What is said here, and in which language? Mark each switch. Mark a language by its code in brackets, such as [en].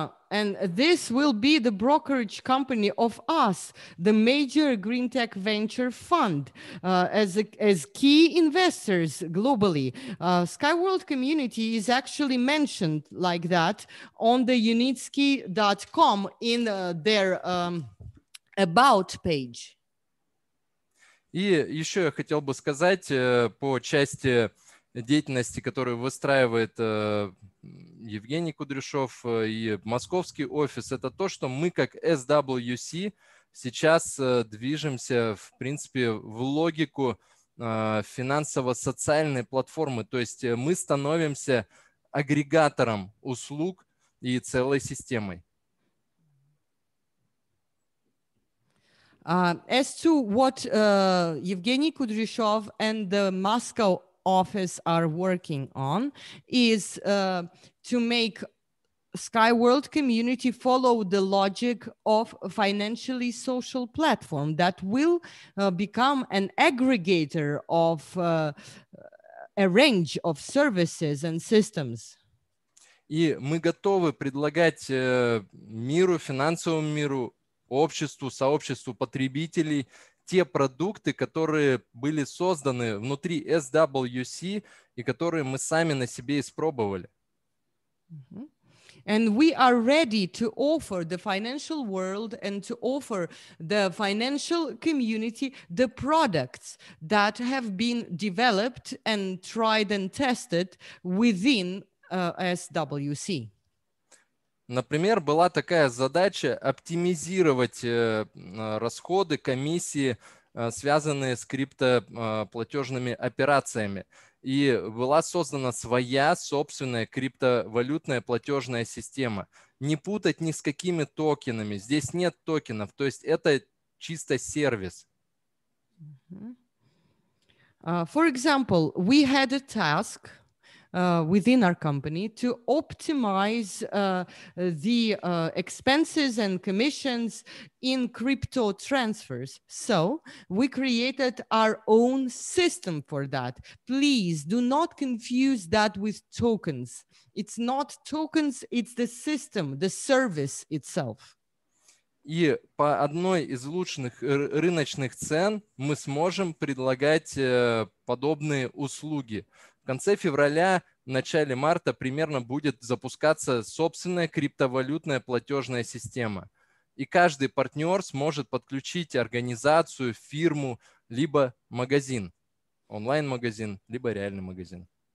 [en] And this will be the brokerage company of us, the major green tech venture fund, as key investors globally. Skyworld community is actually mentioned like that on the unitsky.com in their About page. [ru] И еще я хотел бы сказать по части деятельности, которую выстраивает Евгений Кудряшов и московский офис, это то, что мы как SWC сейчас движемся, в принципе, в логику финансово-социальной платформы. То есть мы становимся агрегатором услуг и целой системой. [en] As to what Evgeny Kudryashov and the Moscow office are working on is to make Skyworld community follow the logic of a financially social platform that will become an aggregator of a range of services and systems. [ru] И мы готовы предлагать миру, финансовому миру, обществу, сообществу потребителей те продукты, которые были созданы внутри SWC и которые мы сами на себе испробовали. [en] And we are ready to offer the financial world and to offer the financial community the products that have been developed and tried and tested within SWC. [ru] Например, была такая задача оптимизировать расходы, комиссии, связанные с криптоплатежными операциями. И была создана своя собственная криптовалютная платежная система. Не путать ни с какими токенами. Здесь нет токенов. То есть это чисто сервис. [en] For example, we had a task within our company to optimize the expenses and commissions in crypto transfers. So we created our own system for that. Please do not confuse that with tokens. It's not tokens, it's the system, the service itself. [ru] И по одной из улучшенных рыночных цен мы сможем предлагать подобные услуги. В конце февраля, в начале марта примерно будет запускаться собственная криптовалютная платежная система. И каждый партнер сможет подключить организацию, фирму, либо магазин, онлайн-магазин, либо реальный магазин.